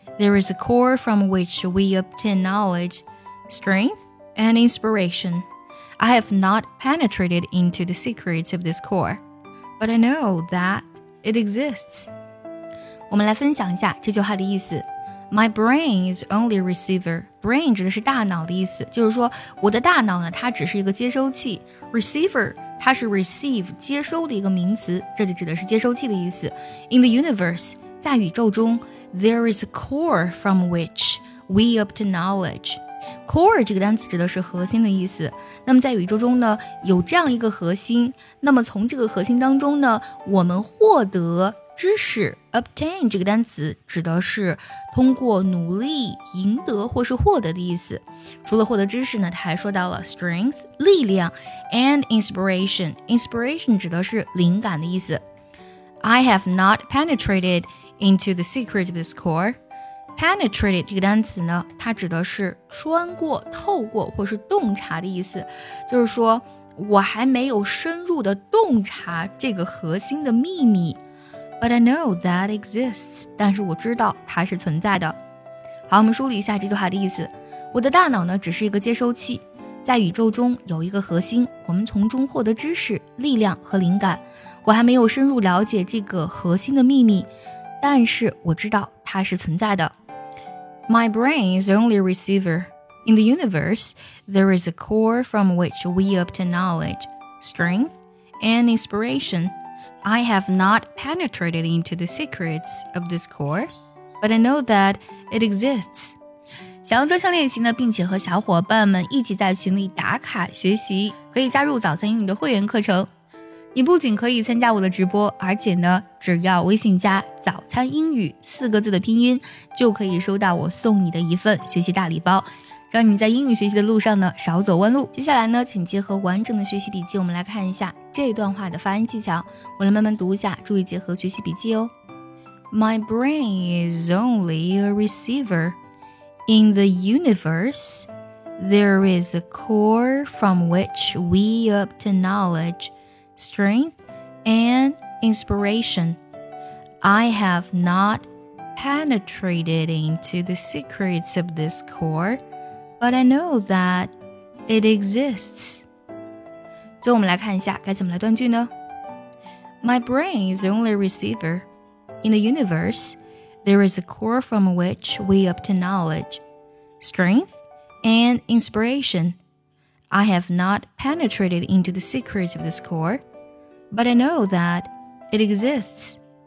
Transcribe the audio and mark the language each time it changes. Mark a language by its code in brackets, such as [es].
[en] There is a core from which we obtain knowledge, strength, and inspiration. I have not penetrated into the secrets of this core, but I know that it exists. [zh] 我们来分享一下这句话的意思。 [en] My brain is only a receiver. [zh] Brain 指的是大脑的意思，就是说我的大脑呢，它只是一个接收器。 Receiver 它是 receive 接收的一个名词，这里指的是接收器的意思。 [en] In the universe [zh] 在宇宙中。 [en] There is a core from which we obtain knowledge. [zh] Core 这个单词指的是核心的意思。那么在宇宙中呢，有这样一个核心，那么从这个核心当中呢，我们获得知识。 Obtain 这个单词指的是通过努力赢得或是获得的意思。除了获得知识呢，他还说到了 strength 力量 [en] and inspiration. Inspiration [zh] 指的是灵感的意思。 [en] I have not penetrated. Into the secret of this core. [zh] Penetrated 这个单词呢，它指的是穿过、透过或是洞察的意思，就是说我还没有深入的洞察这个核心的秘密。 [en] But I know that exists. [zh] 但是我知道它是存在的。好，我们梳理一下这句话的意思。我的大脑呢，只是一个接收器。在宇宙中有一个核心，我们从中获得知识、力量和灵感。我还没有深入了解这个核心的秘密。但是我知道它是存在的。 [en] My brain is only a receiver. In the universe, there is a core from which we obtain knowledge, strength, and inspiration. I have not penetrated into the secrets of this core, but I know that it exists. [zh] 想要专项练习呢，并且和小伙伴们一起在群里打卡学习，可以加入早餐英语的会员课程。你不仅可以参加我的直播，而且呢，只要微信加“早餐英语”四个字的拼音，就可以收到我送你的一份学习大礼包，让你在英语学习的路上呢少走弯路。接下来呢，请结合完整的学习笔记，我们来看一下这段话的发音技巧。我来慢慢读一下，注意结合学习笔记哦。 [en] My brain is only a receiver. In the universe, there is a core from which we obtain knowledge. Strength and inspiration. I have not penetrated into the secrets of this core, but I know that it exists. [zh] 最后我们来看一下该怎么来断句呢？ [en] My brain is only a receiver. In the universe, there is a core from which we obtain knowledge, strength and inspiration. I have not penetrated into the secrets of this core,But I know that it exists.